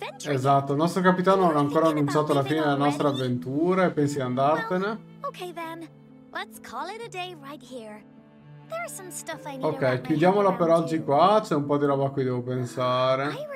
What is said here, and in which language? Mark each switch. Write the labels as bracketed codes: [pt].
[it] Esatto, il nostro capitano non ha ancora annunciato la fine della nostra avventura e pensi di andartene? [en] Ok, let's call it a day right here. [it] Ok, chiudiamola per oggi qua, c'è un po' di roba a cui devo pensare.